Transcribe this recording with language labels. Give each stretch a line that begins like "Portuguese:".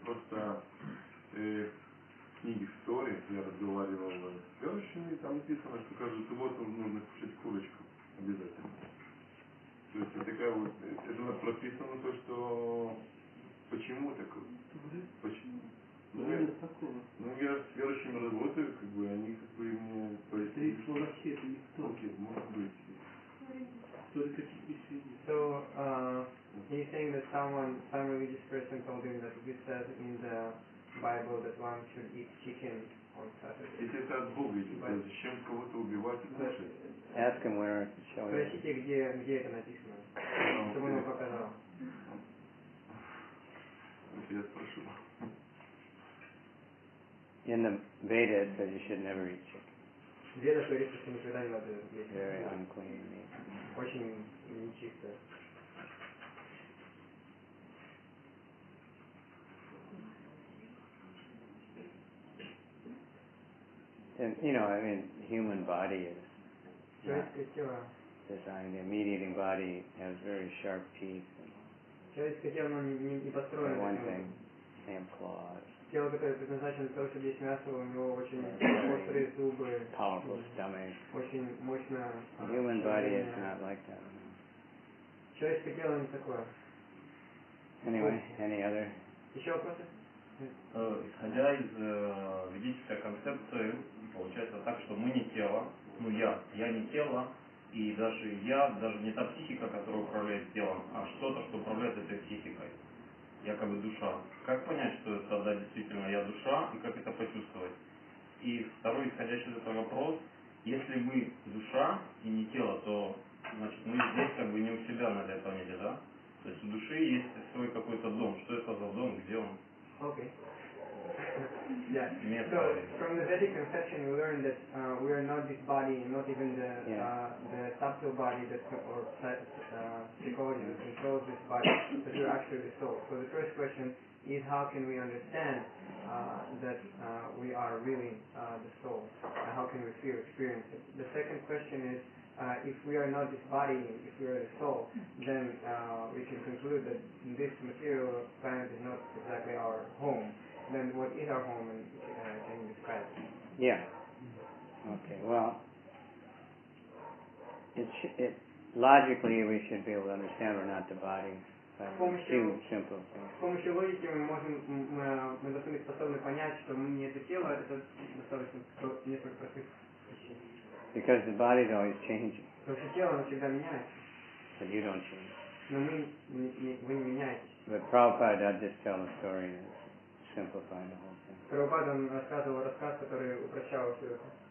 Russian: Просто книги в Торе я разговаривал с верующими, там написано, что каждый суббот нужно кушать курочку обязательно. То есть такая вот это прописано то, что почему так? Почему? Ну, я с верующими работаю, как бы, они, как бы, ему пояснили. Это не все, это не в Токе, может быть. Только какие-то люди.
English: So, he's saying that some religious person told him that he said in the Bible that one should eat chicken on Saturday.
Russian: Если это от Бога идет, зачем кого-то убивать и кушать?
English: Ask him where it's showing.
Russian: Спросите, где это написано. Чтобы он ему показал.
English: In the Veda it says you should never eat chicken.
Russian: Veda говорит, что ты никогда не надо есть мясо.
English: Very unclean meat.
Russian: Очень нечисто.
English: And you know, I mean, human body is yeah, designed. The meat eating body has very sharp teeth.
Russian: Человеческое тело не построено.
English: One thing, same claws.
Russian: Тело, которое предназначено для того, чтобы есть мясо, у него очень острые зубы.
English: Powerful stomach.
Russian: Очень мощное.
English: Human body is not like that.
Russian: Человеческое тело не такое.
English: Anyway, any other?
Russian: Еще вопросы? Исходя из ведической концепции, получается так, что мы не тело, ну я не тело, и даже я, даже не та психика, которая управляет телом, а что-то, что управляет этой психикой, якобы душа. Как понять, что это да, действительно я душа, и как это почувствовать? И второй исходящий из этого вопрос, если мы душа и не тело, то значит мы здесь как бы не у себя на этой планете, да? То есть у души есть свой какой-то дом, что это за дом, где он?
English: Okay. Yeah. So from the Vedic conception, we learned that we are not this body, not even the subtle body that or psychology that controls this body, but we're actually the soul. So the first question is how can we understand that we are really the soul? How can we feel experience it? The second question is if we are not this body, if we are the soul, then we can conclude that this material planet is not exactly our home. Then what is our home, and can you describe it? Yeah. Okay, well, it logically we should be able to understand we're not the body.
Russian: С помощью логики мы должны быть способны понять, что мы не это тело, это достаточно несколько простых вещей.
English: Because the body is always changing.
Russian: Потому что тело всегда меняется.
English: But you don't change.
Russian: Но вы не меняетесь.
English: But Prabhupada, I'd just tell a story and simplify the whole thing.
Russian: Прабхупада рассказывал рассказ, который упрощал все это.